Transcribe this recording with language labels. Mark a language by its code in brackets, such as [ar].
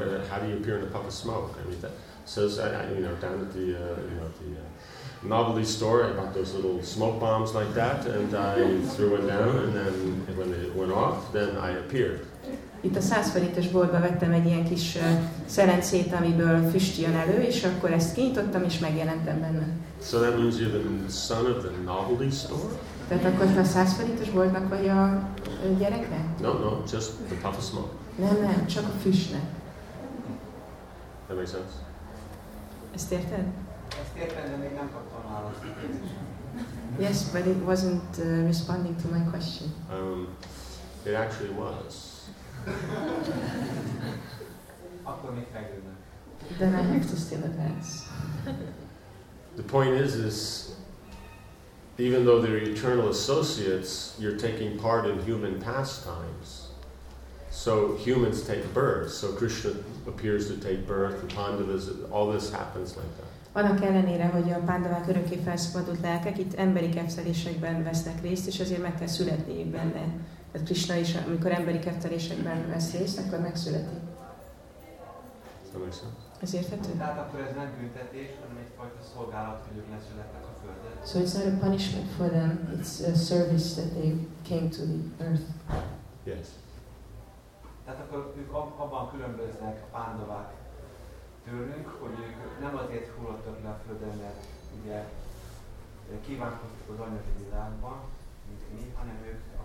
[en] How do you appear in a puff of smoke? I mean, that says, you know, down at the, you know, the novelty store, I bought those little smoke bombs like that, and I threw it down, and then when it went off, then I appeared. [hu] Itt a 100 forintos boltba vettem egy ilyen kis szerencét, amiből füst jön elő, és akkor ezt kinyitottam, és megjelentem benne. [en] So that means you're the son of the novelty store? [hu] Tehát akkor a 100 forintos boltnak vagy a gyereke? [en] No, no, just the puff of smoke. [hu] Nem, nem, csak a füstnek. [en] That makes sense? [hu] Ezt érted? Ezt érted, de még nem kaptam választ. [en] Yes, but it wasn't responding to my question. It actually was. Then I have to still advance. The point is even though they're eternal associates, you're taking part in human pastimes. So humans take birth. So Krishna appears to take birth, the Pandavas, all this happens like that. [hu] Annak ellenére, hogy a Pandavák örökké felszabadult lelkek, itt emberi képzelésekben vesznek részt, és ezért meg kell születniük benne. Tehát Krishna is, amikor emberi keftelésekben vesz részt, akkor megszületik. Ez érthető? Tehát akkor ez nem büntetés, hanem egyfajta szolgálat, hogy ők leszülettek a Földet. [en] So it's not a punishment for them, it's a service that they came to the Earth. Yes. [hu] Tehát akkor ők abban különböznek a Pandavák tőlünk, hogy ők nem azért hullottak le a Földön, mert ugye kívánkoztak az anyagi világban, mint mi, hanem ők